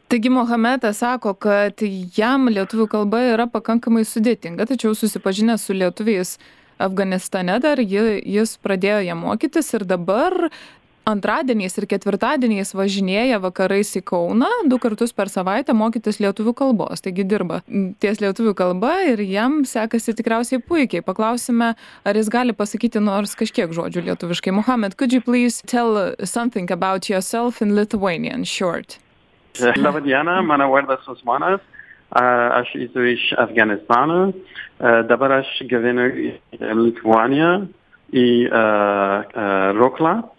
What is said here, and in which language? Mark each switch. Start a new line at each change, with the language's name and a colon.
Lithuanian: Taigi Mohametas sako, kad jam lietuvių kalba yra pakankamai sudėtinga, tačiau susipažinęs su lietuviais Afganistane dar jis pradėjo ją mokytis ir dabar antradieniais ir ketvirtadieniais važinėja vakarais į Kauną du kartus per savaitę mokytis lietuvių kalbos. Taigi dirba ties lietuvių kalba ir jam sekasi tikriausiai puikiai. Paklausime, ar jis gali pasakyti nors kažkiek žodžių lietuviškai.
English: Mohamed, could you please tell something about yourself in Lithuanian short?
Lithuanian: Labą dieną, mano vardas Osmanas. Aš esu iš Afganistano, dabar aš gyvenu į Lituaniją, į Rokla.